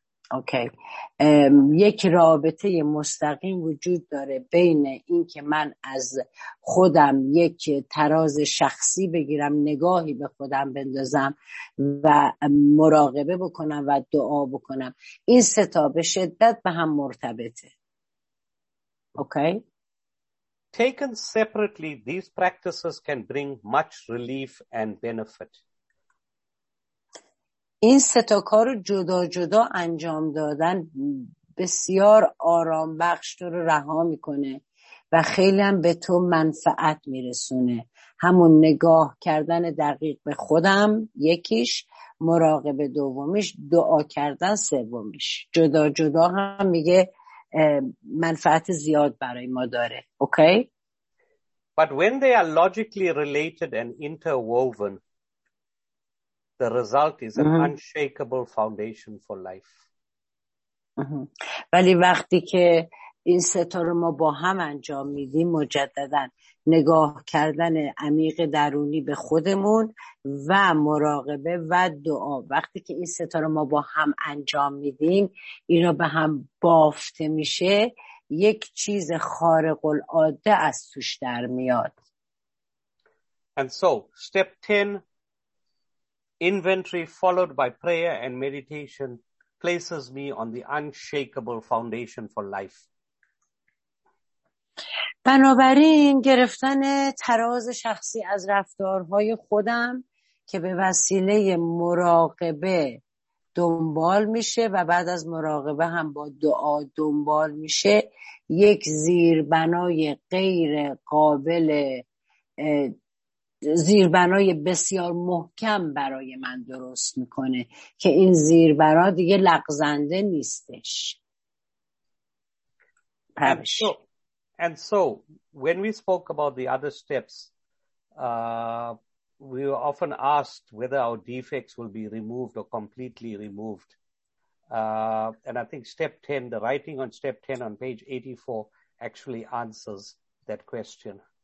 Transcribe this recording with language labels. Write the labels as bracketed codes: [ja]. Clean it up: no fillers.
[fa] اوکی یک رابطه مستقیم وجود داره بین این که من از خودم یک تراز شخصی بگیرم، نگاهی به خودم بندازم و مراقبه بکنم و دعا بکنم. این سه تا به شدت به هم مرتبطه. اوکی [en] taken separately these practices can bring much relief and benefit. [fa] این سه تا کارو جدا جدا انجام دادن بسیار آرام بخش تو رو رها میکنه و خیلی هم به تو منفعت میرسونه. همون نگاه کردن دقیق به خودم یکیش، مراقبه دومیش، دعا کردن سومیش. جدا جدا هم میگه منفعت زیاد برای ما داره. اوکی [en] but when they are logically related and interwoven the result is an unshakable foundation for life. [fa] ولی وقتی که این سه تا رو ما با هم انجام میدیم، مجددا نگاه کردن عمیق درونی به خودمون و مراقبه و دعا، وقتی که این سه تا رو ما با هم انجام میدیم، اینا به هم بافته میشه، یک چیز خارق العاده از توش در میاد. [en] And so step 10 inventory followed by prayer and meditation places me on the unshakable foundation for life. [fa] بنابراین گرفتن تراز شخصی از رفتارهای خودم که به وسیله مراقبه دنبال میشه و بعد از مراقبه هم با دعا دنبال میشه، یک زیربنای غیر قابل زیربنای بسیار محکم برای من درست میکنه که این زیربنا دیگه لغزنده نیستش. [en] And so when we spoke about the other steps we were often asked whether our defects will be removed or completely removed and I think step 10 the writing on step 10 on page 84 actually answers that question.